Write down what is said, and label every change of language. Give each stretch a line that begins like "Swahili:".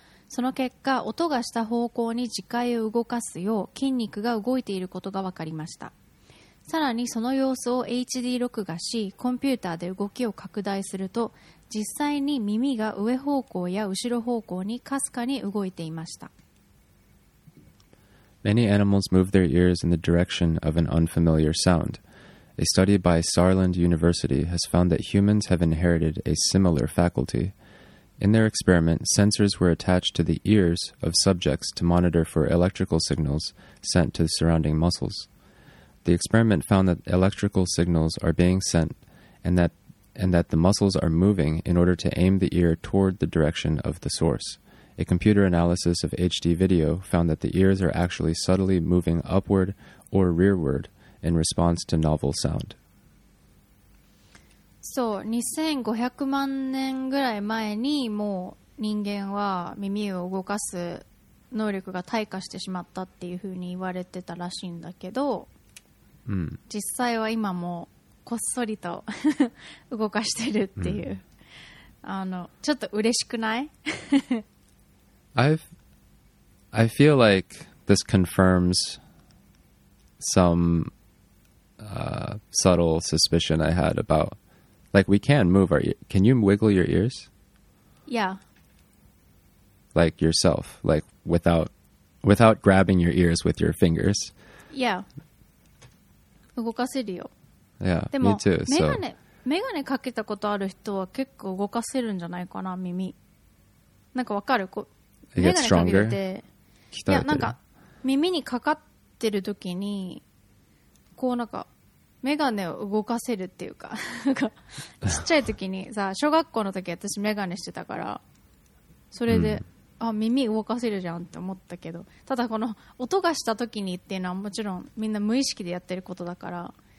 Japanese: その結果、音がした方向に耳介を動かすよう筋肉が動いていることが分かりました。さらにその様子を HD 録画し、コンピューターで動きを拡大すると、実際に耳が上方向や後ろ方向にかすかに動いていました。
English: Many animals move their ears in the direction of an unfamiliar sound. A study by Saarland University has found that humans have inherited a similar faculty. In their experiment, sensors were attached to the ears of subjects to monitor for electrical signals sent to the surrounding muscles. The experiment found that electrical signals are being sent and that the muscles are moving in order to aim the ear toward the direction of the source. A computer analysis of HD video found that the ears are actually subtly moving upward or rearward in response to novel sound.
Japanese: So, 2500万年ぐらい前にもう人間は耳を動かす能力が退化してしまったっていうふうに言われてたらしいんだけど、うん、実際は今もこっそりと動かしてるっていう、うん、ちょっと嬉しくない
English: I feel like this confirms some、subtle suspicion I had about, like, we can move our ears. Can you wiggle your ears? Yeah. Like yourself, like without grabbing your ears with your fingers. Yeah.
Japanese: 動かせるよ。
English: Yeah,
Japanese: でも、メガネかけたことある人は結構動かせるんじゃないかな、耳。なんかわかる？こう、メガネかけて、いや、なんか耳にかかってる時に、こうなんか、メガネを動かせるっていうか、ちっちゃい時にさ、小学校の時私メガネしてたから、それで、あ、耳動かせるじゃんって思ったけど、ただこの音がした時にっていうのはもちろんみんな無意識でやってることだから、